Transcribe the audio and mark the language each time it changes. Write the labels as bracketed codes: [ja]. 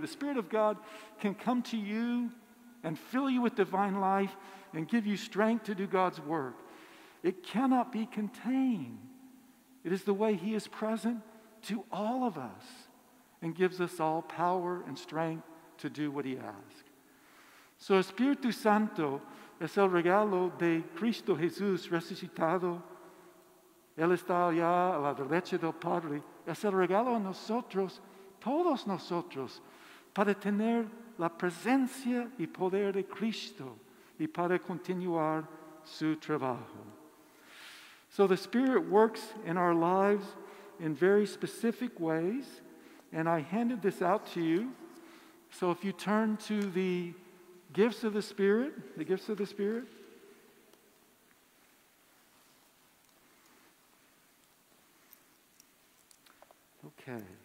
[en] The Spirit of God can come to you and fill you with divine life and give you strength to do God's work. It cannot be contained. It is the way he is present to all of us and gives us all power and strength to do what he asks. [es] So Espíritu Santo es el regalo de Cristo Jesús resucitado. Él está allá a la derecha del Padre. Es el regalo a nosotros, todos nosotros, para tener la presencia y poder de Cristo y para continuar su trabajo. [en] So the Spirit works in our lives in very specific ways, and I handed this out to you. So if you turn to the gifts of the Spirit, the gifts of the Spirit, okay.